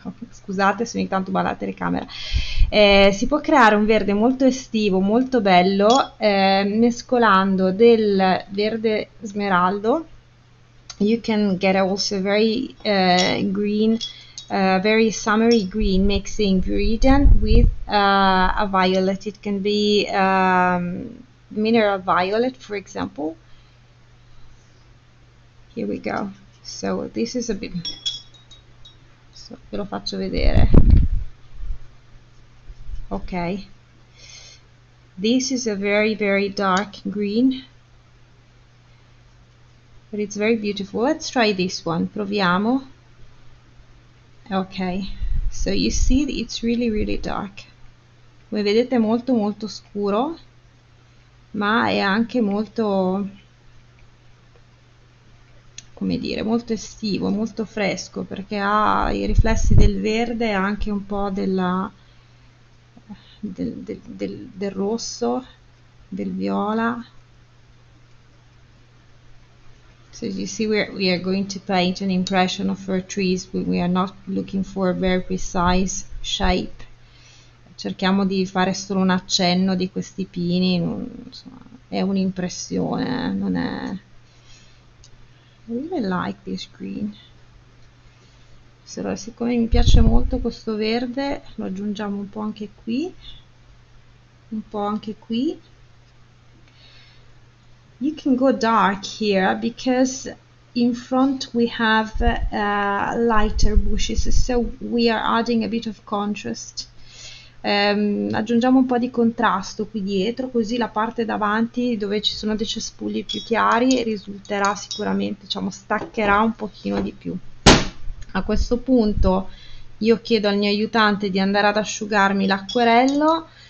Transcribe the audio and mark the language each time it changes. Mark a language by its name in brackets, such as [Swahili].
[Italian] Scusate se ogni tanto balla la telecamera. Si può creare un verde molto estivo, molto bello, mescolando del verde smeraldo. [English] You can get also very green, very summery green, mixing viridian with a violet. It can be mineral violet, for example. Here we go. So this is a bit. [Italian] Ve lo faccio vedere. Ok. [English] This is a very very dark green, but it's very beautiful. Let's try this one. [Italian] Proviamo. [English] Ok. So you see it's really really dark. [Italian] Come vedete è molto molto scuro, ma è anche molto, come dire, molto estivo, molto fresco, perché ha i riflessi del verde e anche un po' del rosso, del viola. [English] So you see we are going to paint an impression of our trees, but we are not looking for a very precise shape. [Italian] Cerchiamo di fare solo un accenno di questi pini, insomma, è un'impressione, non è. [English] I really like this green. [Italian] Siccome mi piace molto questo verde, lo aggiungiamo un po' anche qui. Un po' anche qui. [English] You can go dark here because in front we have lighter bushes, so we are adding a bit of contrast. [Italian] Aggiungiamo un po' di contrasto qui dietro, così la parte davanti dove ci sono dei cespugli più chiari risulterà sicuramente, diciamo, staccherà un pochino di più. A questo punto io chiedo al mio aiutante di andare ad asciugarmi l'acquerello.